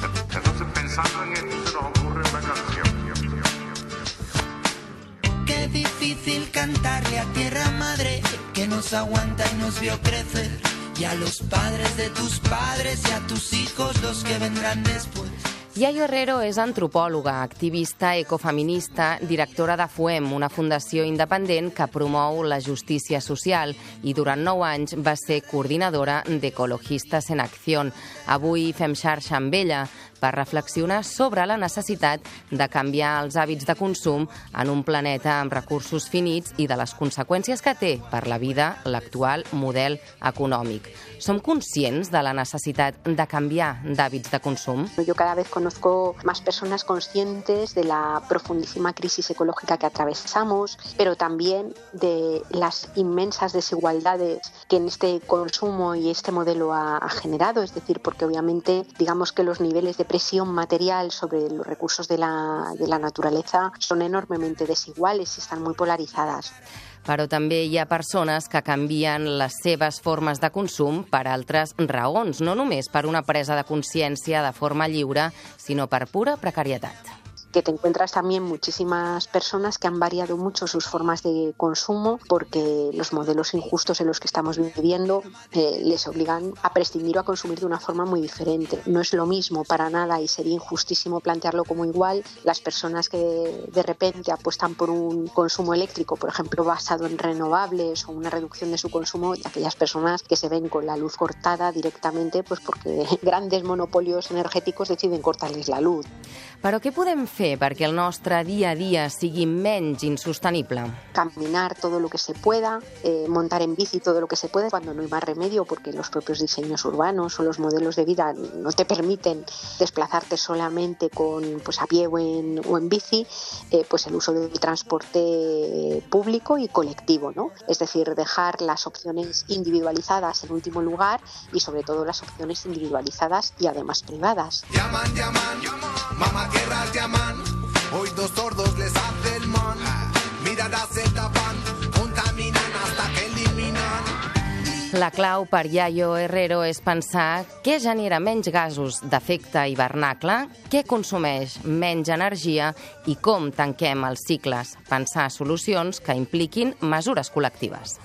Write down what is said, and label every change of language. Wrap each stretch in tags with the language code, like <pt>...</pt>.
<es>Entonces pensando en esto se nos ocurre una canción. Qué difícil cantarle a tierra madre que nos aguanta y nos vio crecer, y a los padres de tus padres y a tus hijos los que vendrán después.</es> <ca>Yayo Herrero és antropòloga, activista, ecofeminista, directora de FUEM, una fundació independent que promou la justícia social, i durant 9 anys va ser coordinadora d'Ecologistes en Acció. Avui fem xarxa amb ella per reflexionar sobre la necessitat de canviar els hàbits de consum en un planeta amb recursos finits i de les conseqüències que té per la vida l'actual model econòmic. Som conscients de la necessitat de canviar d'hàbits de consum? Jo cada vegada</ca> <es>conozco más personas conscientes de la profundísima crisis ecológica que atravesamos, pero también de las inmensas desigualdades que en este consumo y este modelo ha generado, es decir, porque obviamente digamos que los niveles de presión material sobre los recursos de la naturaleza son enormemente desiguales y están muy polarizadas.</es> <ca>Però també hi ha persones que canvien les seves formes de consum per altres raons, no només per una presa de consciència de forma lliure, sinó per pura precarietat.</ca> <es>que te encuentras también muchísimas personas que han variado mucho sus formas de consumo porque los modelos injustos en los que estamos viviendo les obligan a prescindir o a consumir de una forma muy diferente. No es lo mismo para nada y sería injustísimo plantearlo como igual las personas que de repente apuestan por un consumo eléctrico, por ejemplo, basado en renovables o una reducción de su consumo, de aquellas personas que se ven con la luz cortada directamente pues porque grandes monopolios energéticos deciden cortarles la luz.</es> <ca>Però què podem fer perquè el nostre dia a dia sigui menys insostenible?</ca> <es>Caminar todo lo que se pueda, montar en bici todo lo que se pueda cuando no hay más remedio porque los propios diseños urbanos o los modelos de vida no te permiten desplazarte solamente con, pues, a pie o en bici, pues el uso del transporte público y colectivo, ¿no? Es decir, dejar las opciones individualizadas en último lugar y sobre todo las opciones individualizadas y además privadas. Llaman, llaman, llaman. Mamá guerra llaman, hoy dos sordos les hace el man, miradas se tapan, contaminan hasta que eliminan.</es> <ca>La clau per Yayo Herrero és pensar què genera menys gasos d'efecte hivernacle, què consumeix menys energia i com tanquem els cicles. Pensar solucions que impliquin mesures col·lectives.</ca>